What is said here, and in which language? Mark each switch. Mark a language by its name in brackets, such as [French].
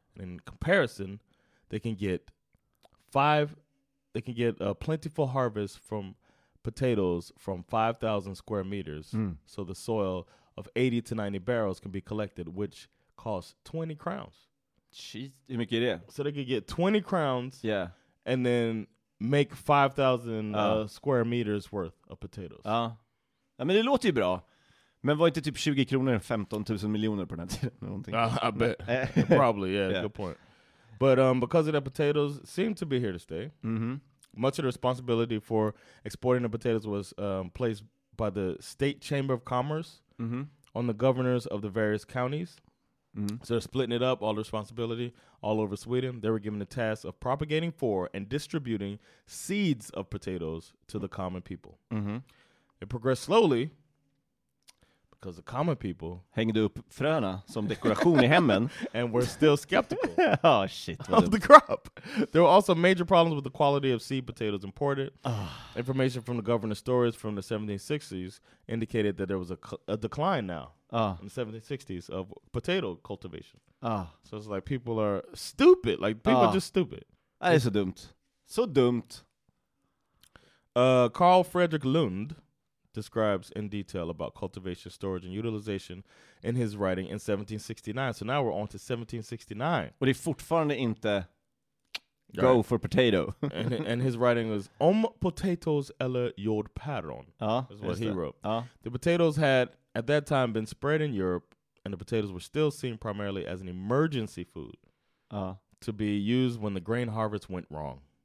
[English] And in comparison, they can get a plentiful harvest from potatoes from 5,000 square meters. Mm. So the soil of 80 to 90 barrels can be collected, which costs 20 crowns. [Swedish] Jeez. Hur mycket är det? [English] So they could get 20 crowns yeah. and then make 5,000 square meters worth of potatoes. [Swedish] Ja, men det låter ju bra. Men var inte typ 20 kronor 15 000 miljoner på den tiden? [English] I bet. Probably, yeah. Good point. But because of the potatoes seem to be here to stay, mm-hmm. much of the responsibility for exporting the potatoes was placed by the State Chamber of Commerce mm-hmm. on the governors of the various counties. Mm-hmm. So they're splitting it up, all the responsibility, all over Sweden. They were given the task of propagating for and distributing seeds of potatoes to the common people. Mm-hmm. It progressed slowly because the common people... [Swedish] Hängde upp fröna som dekoration i hemmen. [English] And were still skeptical. Oh, shit. Of the crop. There were also major problems with the quality of seed potatoes imported. Information from the governor's stories from the 1760s indicated that there was a decline now in the 1760s of potato cultivation. So it's like people are stupid. Like, people are just stupid. [Swedish] Det är så dumt. Så dumt. [English] Carl Fredrik Lund... describes in detail about cultivation, storage, and utilization in his writing in 1769. So now we're on to 1769. [Swedish] Och det är fortfarande inte [English] go right. for potato. And his writing was [Swedish] om [English] potatoes [Swedish] eller jordpäron. [English] That's what he wrote. The potatoes had at that time been spread in Europe, and the potatoes were still seen primarily as an emergency food to be used when the grain harvest went wrong.